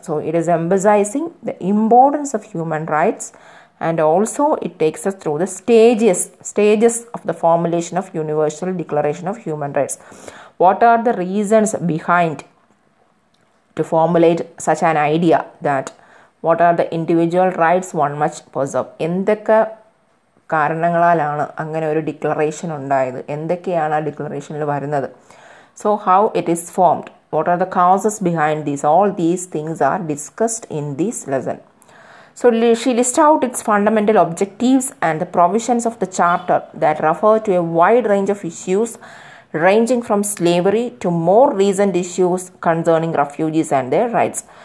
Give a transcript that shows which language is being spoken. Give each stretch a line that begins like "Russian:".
English: So it is emphasizing the importance of human rights, and also it takes us through the stages of the formulation of Universal Declaration of Human Rights. What are the reasons behind to formulate such an idea, that what are the individual rights one must preserve?
Malayalam: എന്തൊക്കെ കാരണങ്ങളാലാണ് അങ്ങനെ ഒരു declaration ഉണ്ടായത്? എന്തൊക്കെയാണ് ആ ഡിക്ലറേഷനിൽ വരുന്നത്?
English: So how it is formed? What are the causes behind this? All these things are discussed in this lesson. So she lists out its fundamental objectives and the provisions of the charter that refer to a wide range of issues ranging from slavery to more recent issues concerning refugees and their rights.